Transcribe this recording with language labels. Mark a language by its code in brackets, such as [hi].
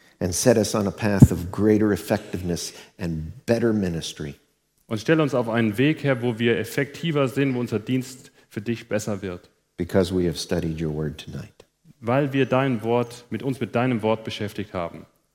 [en] And set us on a path of greater effectiveness and better ministry. [de] Und stell uns auf einen Weg her, wo wir effektiver sind, wo unser Dienst für dich besser wird. [en] Because we have studied your word tonight. [de] Weil wir dein Wort mit uns mit deinem Wort beschäftigt haben.